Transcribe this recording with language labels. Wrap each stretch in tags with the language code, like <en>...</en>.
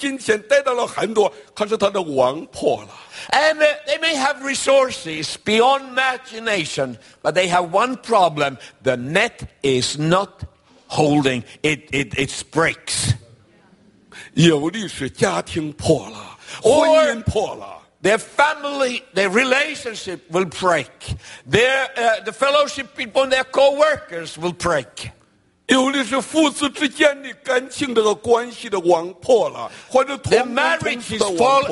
<zh>但他的问题是带到了很多的金钱，带到了很多，可是他的网破了。</zh> <en>And they may have resources beyond imagination, but they have one problem. The net is not holding it breaks.</en> <zh>有的是家庭破了，婚姻破了。</zh> <en>Their family, their relationship will break. Their the fellowship people, their co-workers will break.</en> <zh>有的是父子之间的感情这个关系的网破了，或者同工同事的网破了。</zh>